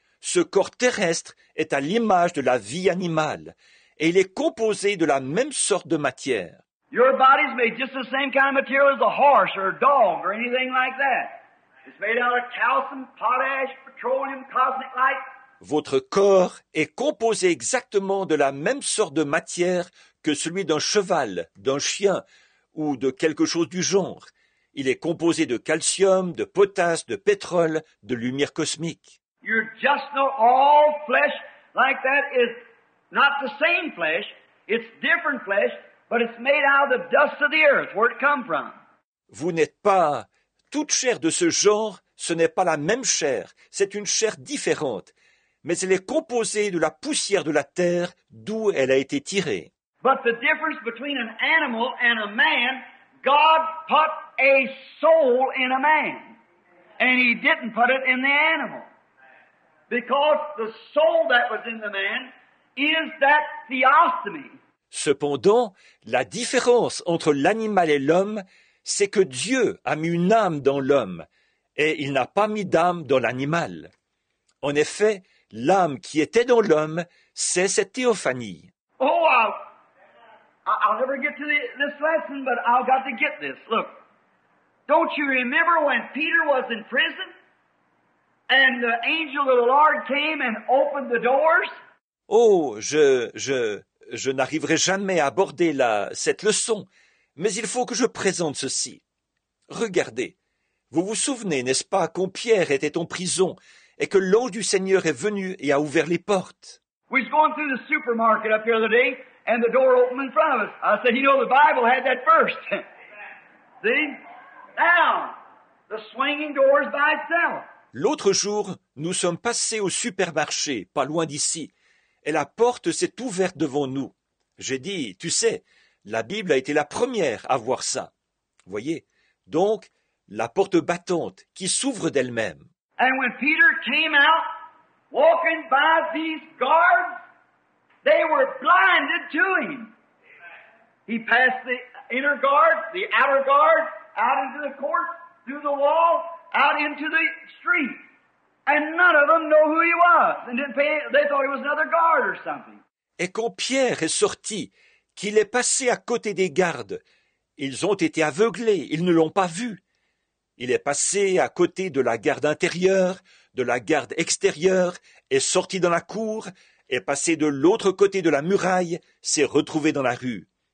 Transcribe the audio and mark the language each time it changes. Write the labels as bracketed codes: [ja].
[fr] Ce corps terrestre est à l'image de la vie animale, et il est composé de la même sorte de matière. [en] Your body's made just the same kind of material as a horse or a dog or anything like that. It's made out of calcium, potash, petroleum, cosmic light. [fr] Votre corps est composé exactement de la même sorte de matière que celui d'un cheval, d'un chien ou de quelque chose du genre. Il est composé de calcium, de potasse, de pétrole, de lumière cosmique. [en] You're just not all flesh like that is not the same flesh. It's different flesh, but it's made out of the dust of the earth, where it come from. [fr] Vous n'êtes pas toute chair de ce genre. Ce n'est pas la même chair. C'est une chair différente, mais elle est composée de la poussière de la terre d'où elle a été tirée. [en] But the difference between an animal and a man, God put a soul in a man, and he didn't put it in the animal. Because the soul that was in the man is that theostomy. [fr] Cependant, la différence entre l'animal et l'homme, c'est que Dieu a mis une âme dans l'homme et il n'a pas mis d'âme dans l'animal. En effet, l'âme qui était dans l'homme, c'est cette théophanie. [en] Oh, I'll never get to this lesson, but I've got to get this. Look, don't you remember when Peter was in prison and the angel of the Lord came and opened the doors? [fr] Oh, je n'arriverai jamais à aborder cette leçon, mais il faut que je présente ceci. Regardez, vous vous souvenez, n'est-ce pas, quand Pierre était en prison et que l'ange du Seigneur est venu et a ouvert les portes? [en] We was going through the supermarket up here the other day, and the door opened in front of us. I said, you know, the Bible had that first. See? Now, the swinging doors by itself. [fr] L'autre jour, nous sommes passés au supermarché, pas loin d'ici, et la porte s'est ouverte devant nous. J'ai dit, tu sais, la Bible a été la première à voir ça. Voyez, donc, la porte battante qui s'ouvre d'elle-même. [en] And when Peter came out, walking by these guards, they were blinded to him. He passed the inner guard, the outer guard, out into the court, through the wall, out into the street. And none of them know who he was. And didn't pay, they thought he was another guard or something. [fr] Et quand Pierre est sorti, qu'il est passé à côté des gardes, ils ont été aveuglés, ils ne l'ont pas vu. Il est passé à côté de la garde intérieure, de la garde extérieure, est sorti dans la cour, est passé de l'autre côté de la muraille, s'est retrouvé dans la rue.